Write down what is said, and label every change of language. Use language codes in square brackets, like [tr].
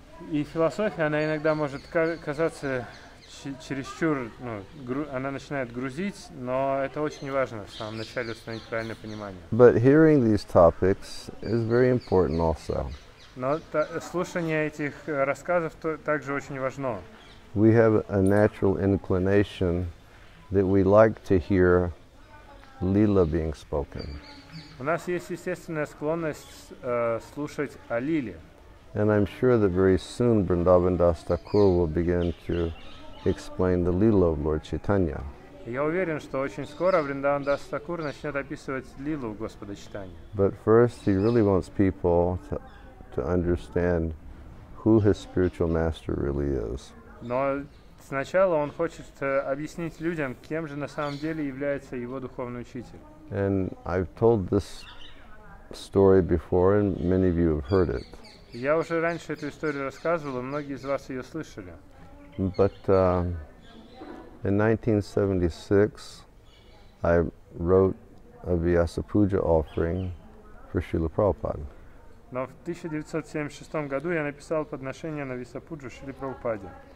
[ru] И философия, она иногда может казаться чересчур, ну, она начинает грузить, но это очень важно в самом начале установить правильное понимание. [en] But hearing these topics is very important also. [ru] Но слушание этих рассказов также очень важно. [en] We have a natural inclination that we like to hear Lila being spoken. [ru] У нас есть естественная склонность слушать о Лиле. [en] And I'm sure that very soon Vrindavan Das Thakur will begin to explain the Lila of Lord Chaitanya. [ru] Я уверен, что очень скоро Vrindavan Das Thakur начнет описывать Лилу Господа Чайтаньи. [en] But first he really wants people to understand who his spiritual master really is. [ru] Но сначала он хочет объяснить людям, кем же на самом деле является его духовный учитель. [en] And I've told this story before and many of you have heard it. [ru] Я уже раньше эту историю рассказывал, и многие из вас ее слышали. [en] But in 1976, I wrote a Vyasa Puja offering for Srila Prabhupada. [ru] Но в 1976 году я написал подношение на Вьясапуджу Шриле Прабхупаде.